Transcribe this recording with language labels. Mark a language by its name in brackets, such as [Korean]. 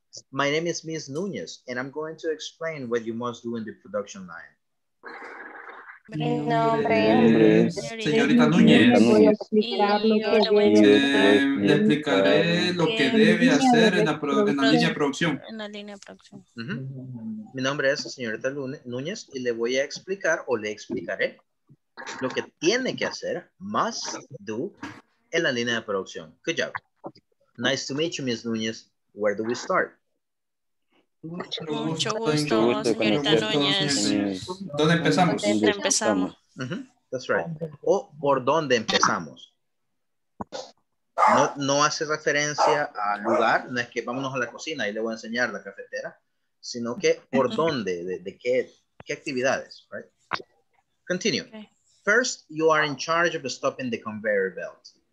[English] My name is Miss Núñez and I'm going to explain what you must do in the production line. [Spanish] Señorita Núñez, le explicaré lo que debe hacer en la línea de producción. Mi nombre es señorita Núñez y le voy a explicar o le explicaré lo que tiene que hacer, must do, en la línea de producción. [English] Good job. Nice to meet you, Ms. Núñez. Where do we start? [Spanish] Mucho gusto, señorita Núñez. ¿Dónde empezamos? ¿Dónde empezamos? Uh-huh. [English] That's right. [Spanish] ¿O por dónde empezamos? No, no hace referencia al lugar, no es que vámonos a la cocina y le voy a enseñar la cafetera, sino que por dónde, de qué, qué actividades, right? [English] Continue. Okay. First, you are in charge of stopping the conveyor belt.